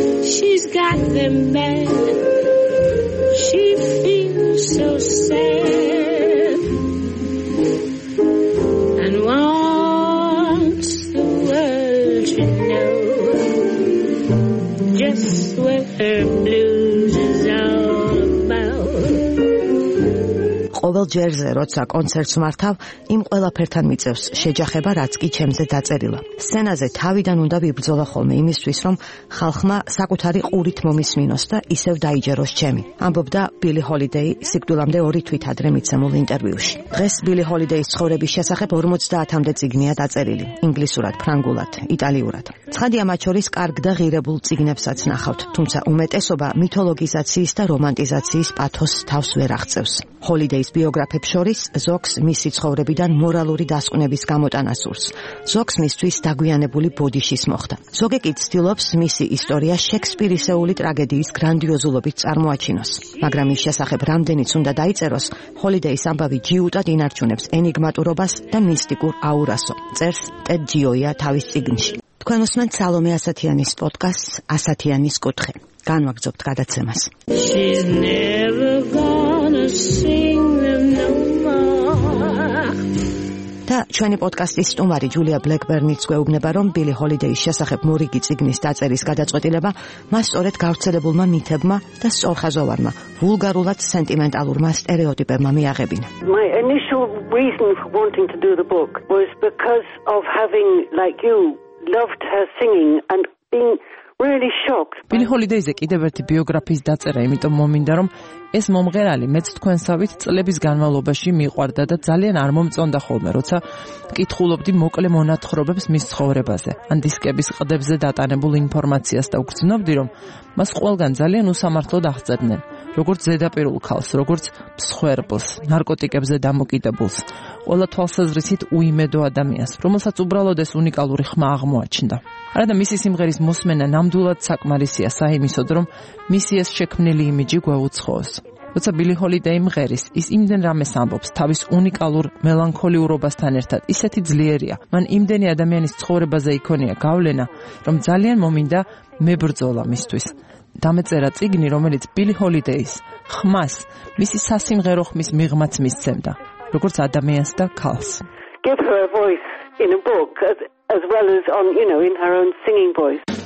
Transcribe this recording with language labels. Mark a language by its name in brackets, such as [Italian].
[English] She's got the man, she feels so sad and wants the world to know just what her blues is all about. [Georgian] ყოველ ჯერზე, როცა კონცერტს მართავ, იმ ყველაფერთან მიწევს შეჯახება, რაც კი ჩემზე დაწერილა. სცენაზე თავიდან უნდა ვიბრძოლო ხოლმე იმისთვის, რომ ხალხმა საკუთარი ყურით მომისმინოს და ისევ დაიჯეროს ჩემი, ამბობდა ბილი ჰოლიდეი სიკვდილამდე ორი თვით ადრე მიცემულ ინტერვიუში. დღეს ბილი ჰოლიდეის ცხოვრების შესახებ 50-მდე წიგნია დაწერილი, ინგლისურად, ფრანგულად, იტალიურად. ცხადია, მათ შორის კარგ და ღირებულ წიგნებსაც ნახავთ, თუმცა უმეტესობა მითოლოგიზაციის და რომანტიზაციის პათოსს თავს ვერ აღწევს. ჰოლიდეის ბიოგრაფებს შორის ზოგს მისი ცხოვრებიდან მორალური დასკვნების გამოტანა სურს, ზოგს მისთვის დაგვიანებული ბოდიშის მოხდა. ზოგი კი ცდილობს მისი ისტორია შექსპირისეული ტრაგედიის გრანდიოზულობით წარმოაჩინოს. მაგრამ ის შესახებ რამდენიც უნდა დაიწეროს, ჰოლიდეის ამბავი ჯიუტად ინარჩუნებს ენიგმატურობას და მისტიკურ აურასო, წერს ტედ ჯიოია თავის წიგნში. თქვენ უსმენთ სალომე ასათიანის პოდკასტს ასათიანის კუთხე. განვაგრძობთ გადაცემას. [English] She's never gonna sing them no more. [Georgian] მოგესალმებით. ჩვენი პოდკასტის სტუმარი ჯულია ბლეკბერნიც გვეუბნება, რომ ბილი ჰოლიდეის შესახებ მორიგი ციგნის დაწერის გადაწყვეტილება მას სწორედ გავრცელებულმა მითებმა და სწორხაზოვანმა, ვულგარულად სენტიმენტალურმა სტერეოტიპებმა მიაღებინა. [English] My initial reason for wanting to do the book was because of having, like you, loved her singing and being really shocked. [Georgian] ბილი ჰოლიდეიზე კიდევ ერთი ბიოგრაფიის დაწერა იმიტომ მომინდა, რომ ეს მომღერალი მეც თქვენსავით წლების განმავლობაში მიყვარდა და ძალიან არ მომწონდა ხოლმე, როცა კითხულობდი მოკლე მონათხრობებს მის ცხოვრებაზე ან დისკების ყდებზე დატანებულ ინფორმაციას და გრძნობდი, რომ მას ყველგან ძალიან უსამართლოდ აღწერდნენ, როგორც ზედაპირულ ქალს, როგორც მსხვერპლს, ნარკოტიკებზე დამოკიდებულს, ყველა თვალსაზრისით უიმედო ადამიანს, რომელსაც უბრალოდ ეს უნიკალური ხმა აღმოაჩნდა. არა და მისი სიმღერის მოსმენა ნამდვილად საკმარისია საიმისოდ, რომ მისი ეს შექმნილი იმიჯი გვეუცხოს. როცა ბილი ჰოლიდეი მღერის, ის იმდენ რამეს ამბობს თავის უნიკალურ მელანქოლიურობასთან ერთად, ისეთი ძლიერია, მან იმდენი ადამიანის ცხოვრებაზე იქონია გავლენა, რომ ძალიან მომინდა მებრძოლა მისთვის. დამეწერა წიგნი, რომელიც ბილი ჰოლიდეის ხმას მისი სასიმღერო ხმის მიღმაც მისცემდა, როგორც ადამიანს და ქალს. [English] Give her a voice in a book as well as on, you know, in her own singing voice.